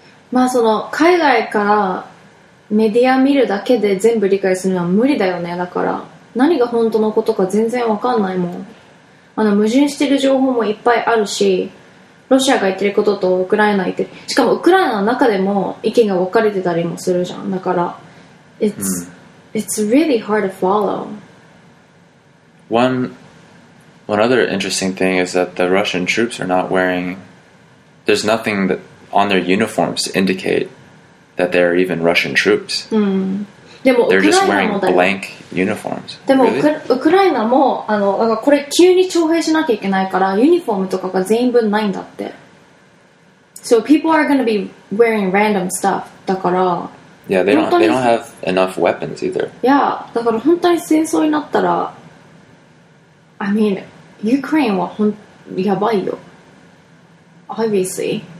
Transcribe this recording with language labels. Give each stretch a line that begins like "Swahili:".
Japanese: まあ、その海外からメディア見るだけで全部理解するのは無理だよね。だから何が本当のことか全然わかんないもん。無人してる情報もいっぱいあるし、ロシアが言ってることとウクライナ言ってる、しかもウクライナの中でも意見が分かれてたりもするじゃん。だから
English: It's、It's really hard to follow. One other interesting thing is that the Russian troops are not wearing, there's nothing that on their uniforms to indicate that they're even Russian troops. They're just wearing blank uniforms.
Japanese: でも、
English: really?
Japanese: Ukraine もあの、だからこれ急に徴兵しなきゃいけないから、ユニフォームとかが全員分ないんだって。
English: So people are going to be wearing random stuff.
Japanese: だから、
English: Yeah, they don't have enough weapons either.
Japanese: Yeah, だから本当に戦争になったら、
English: I mean,
Japanese: Ukraine はほんやばいよ。
English: Obviously.